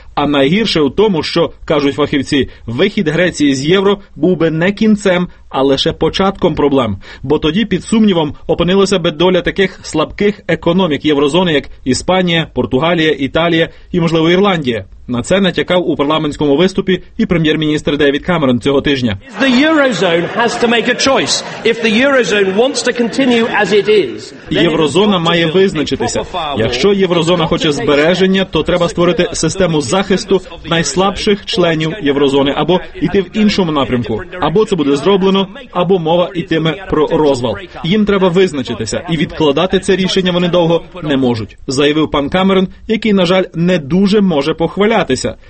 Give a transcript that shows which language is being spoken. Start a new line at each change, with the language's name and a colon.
Ukrainian: А найгірше у тому, що, кажуть фахівці, вихід Греції з євро був би не кінцем, а лише початком проблем. Бо тоді під сумнівом опинилася би доля таких слабких економік єврозони, як Іспанія, Португалія, Італія і, можливо, Ірландія. На це натякав у парламентському виступі і прем'єр-міністр Девід Камерон цього тижня.
English: The eurozone has to make a choice. If the eurozone wants to continue as it is,
Ukrainian: єврозона має визначитися. Якщо єврозона хоче збереження, то треба створити систему захисту найслабших членів єврозони або йти в іншому напрямку. Або це буде зроблено, або мова йтиме про розвал. Їм треба визначитися, і відкладати це рішення вони довго не можуть, заявив пан Камерон, який, на жаль, не дуже може похвалити.